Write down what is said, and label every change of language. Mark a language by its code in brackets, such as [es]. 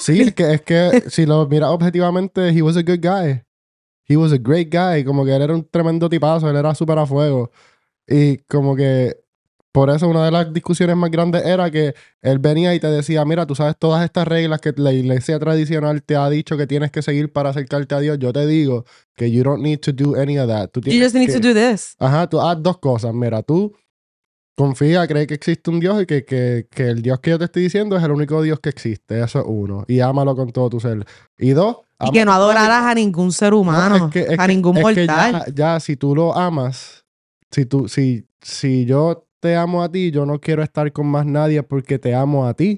[es] Sí, es que si lo miras objetivamente, [en] he was a good guy. He was a great guy. [es] Como que él era un tremendo tipazo, él era súper a fuego. Y como que por eso una de las discusiones más grandes era que él venía y te decía, mira, tú sabes todas estas reglas que la iglesia tradicional te ha dicho que tienes que seguir para acercarte a Dios. Yo te digo que [en] you don't need to do any of that. You just need to do this. [es] Ajá, tú haz dos cosas. Mira, tú... confía, cree que existe un Dios y que el Dios que yo te estoy diciendo es el único Dios que existe. Eso es uno. Y ámalo con todo tu ser. Y dos... y que no adorarás a ningún ser humano, ningún mortal. Es que ya, si tú lo amas, si yo te amo a ti, yo no quiero estar con más nadie porque te amo a ti.